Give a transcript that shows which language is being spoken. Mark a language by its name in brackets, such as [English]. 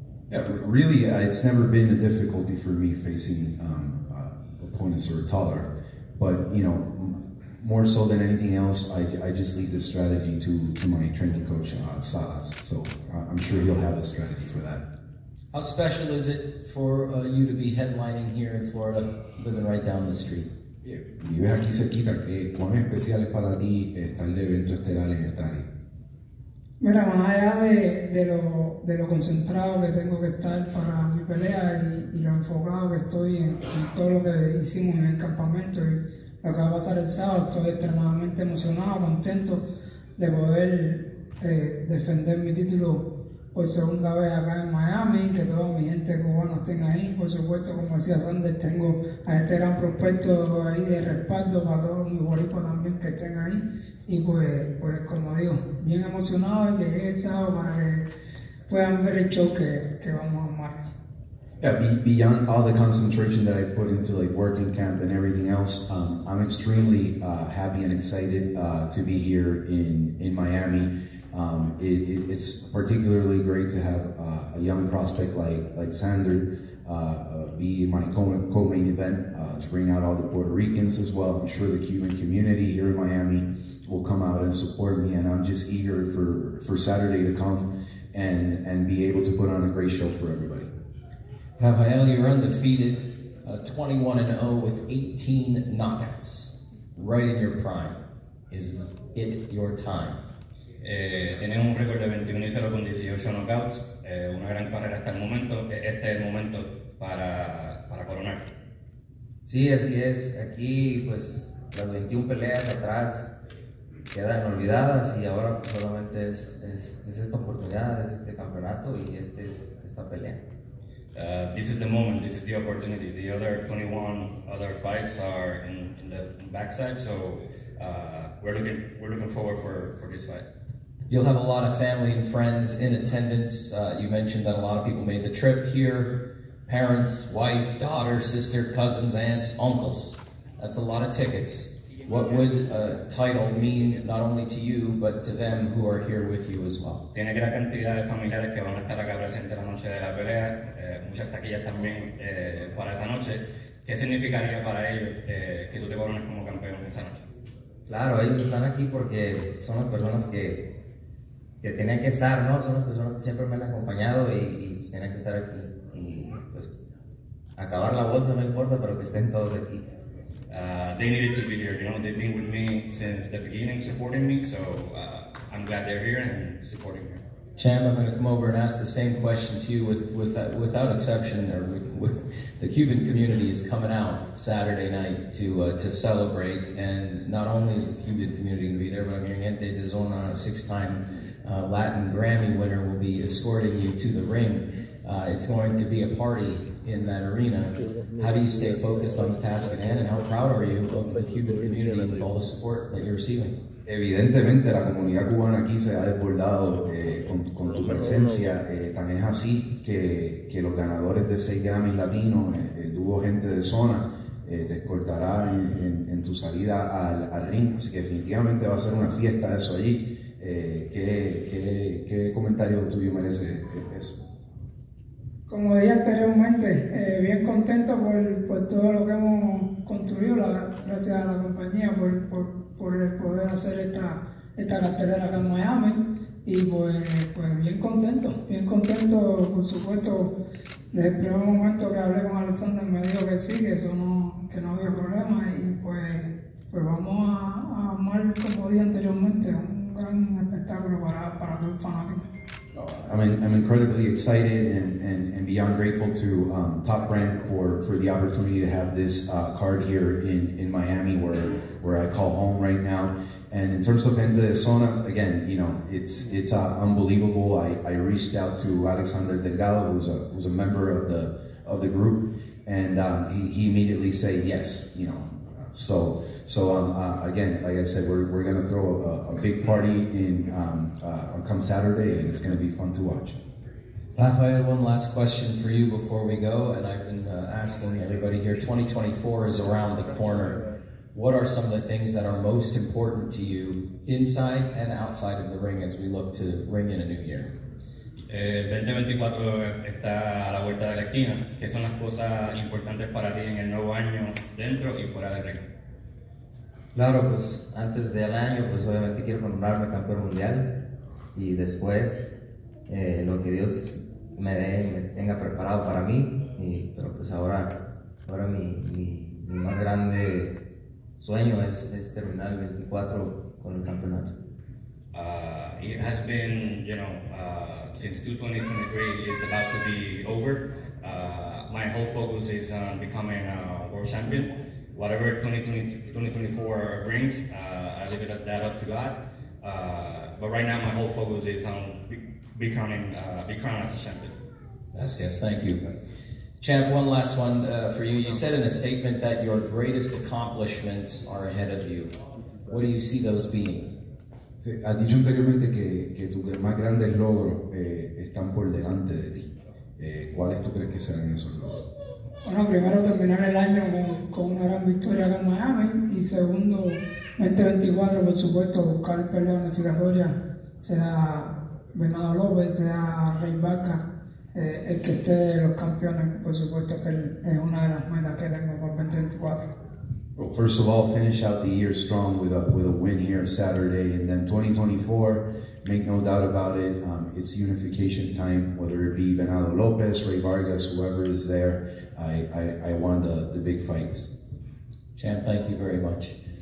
[English] Yeah, really, it's never been a difficulty for me facing opponents who are taller, but you know, more so than anything else, I just leave the strategy to my training coach Salas, so I'm sure he'll have a strategy for that. How special is it for you to be headlining here in Florida, living right down the street? [Spanish] Vives aquí cerquita. ¿Cuán especial es para ti estar de evento estelar en esta área? Mira, más allá de lo concentrado que tengo que estar para mi pelea y lo enfocado que estoy en todo lo que hicimos en el campamento y lo que va a pasar el sábado, estoy extremadamente emocionado, contento de poder defender mi título por segunda vez acá en Miami, que toda mi gente cubana esté ahí. Por supuesto, como decía Xander, tengo a este gran prospecto ahí de respaldo para todos mis boricuas también que estén ahí. Y pues como digo, bien emocionado, llegué el sábado para que puedan ver el show que vamos a armar. [English] Yeah, beyond all the concentration that I put into like working camp and everything else, I'm extremely happy and excited to be here in Miami. It's particularly great to have a young prospect like Xander be in my co-main event to bring out all the Puerto Ricans as well. I'm sure the Cuban community here in Miami will come out and support me, and I'm just eager for Saturday to come and be able to put on a great show for everybody. Rafael, you're undefeated, 21-0 with 18 knockouts, right in your prime. Is it your time? [Spanish] Tienes un récord de 21-0 con 18 knockouts, una gran carrera hasta el momento. Este es el momento para coronar. Sí, así es. Aquí, pues, las 21 peleas atrás quedan olvidadas y ahora solamente es esta oportunidad, es este campeonato y este es esta pelea. [English] This is the moment, this is the opportunity. The other 21 other fights are in the backside, so we're looking forward for this fight. You'll have a lot of family and friends in attendance. You mentioned that a lot of people made the trip here. Parents, wife, daughter, sister, cousins, aunts, uncles. That's a lot of tickets. What would a title mean not only to you, but to them who are here with you as well? [Spanish] Tiene gran cantidad de familiares que van a estar acá presente la noche de la pelea. Muchas taquillas también para esa noche. ¿Qué significaría para ellos que tú te corones como campeón esa noche? Claro, ellos están aquí porque son las personas que tienen que estar, ¿no? Son las personas que siempre me han acompañado y tienen que estar aquí. Y pues acabar la bolsa no importa, pero que estén todos aquí. [English] They needed to be here, you know, they've been with me since the beginning supporting me, so I'm glad they're here and supporting me. Champ, I'm going to come over and ask the same question to you without exception. The Cuban community is coming out Saturday night to celebrate, and not only is the Cuban community going to be there, but I'm hearing Gente de Zona, a six-time Latin Grammy winner, will be escorting you to the ring. It's going to be a party in that arena. How do you stay focused on the task at hand, and how proud are you of the Cuban community and all the support that you're receiving? [Spanish] Evidentemente, la comunidad cubana aquí se ha desbordado con tu presencia. Tan es así que los ganadores de 6 Grammys Latinos, el dúo Gente de Zona, te escoltará en tu salida al ring. Así que definitivamente va a ser una fiesta eso allí. ¿Qué comentario tuyo merece eso? Como dije anteriormente, bien contento por todo lo que hemos construido, gracias a la compañía por el poder hacer esta cartelera acá en Miami. Y pues bien contento, por supuesto. Desde el primer momento que hablé con Alexander me dijo que sí, que no había problema. Y pues vamos a armar, como dije anteriormente, un gran espectáculo para todos los fanáticos. [English] I'm incredibly excited and beyond grateful to Top Rank for the opportunity to have this card here in Miami, where I call home right now. And in terms of Gente de Zona, again, you know, it's unbelievable. I reached out to Alexander Delgado, who's a member of the group, and he immediately said yes, you know. So again, like I said, we're gonna throw a big party come Saturday, and it's gonna be fun to watch. Rafael, one last question for you before we go, and I've been asking everybody here. 2024 is around the corner. What are some of the things that are most important to you inside and outside of the ring as we look to ring in a new year? [Spanish] 2024 está a la vuelta de la esquina. ¿Qué son las cosas importantes para ti en el nuevo año dentro y fuera del ring? Claro, pues antes del año, pues obviamente quiero coronarme campeón mundial y después lo que Dios me dé y me tenga preparado para mí. Pero pues ahora mi más grande sueño es terminar el 24 con el campeonato. [English] It has been, you know, since 2023 is about to be over, my whole focus is on becoming a world champion. Whatever 2024 brings, I leave it at that up to God. But right now, my whole focus is on becoming as a champion. Yes, thank you. Champ, one last one for you. You said in a statement that your greatest accomplishments are ahead of you. What do you see those being? [Spanish] Sí, has dicho anteriormente que tus más grandes logros están por delante de ti. ¿Cuáles tú crees que serán esos logros? Bueno, primero terminar el año con una gran victoria acá en Miami. Y segundo, 2024, por supuesto, buscar pelea unificatoria, sea Venado López, sea Rey Vaca. El que esté de los campeones, por supuesto, que es una de las metas que tengo por 2024. [English] Well, first of all, finish out the year strong with a win here Saturday, and then 2024, make no doubt about it, it's unification time, whether it be Venado López, Rey Vargas, whoever is there, I want the big fights. Champ, thank you very much.